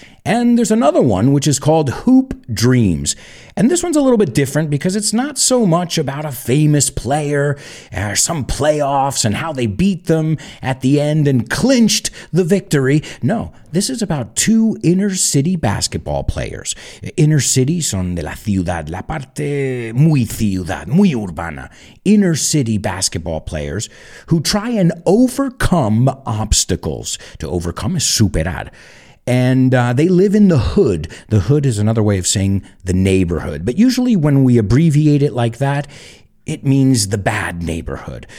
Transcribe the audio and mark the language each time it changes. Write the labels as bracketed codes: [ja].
[en] And there's another one, which is called Hoop Dreams. And this one's a little bit different because it's not so much about a famous player or some playoffs and how they beat them at the end and clinched the victory. No, this is about two inner city basketball players. [es] Inner city son de la ciudad, la parte muy ciudad, muy urbana. [en] Inner city basketball players who try and overcome obstacles. To overcome is superar. And they live in the hood. The hood is another way of saying the neighborhood. But usually when we abbreviate it like that, it means the bad neighborhood.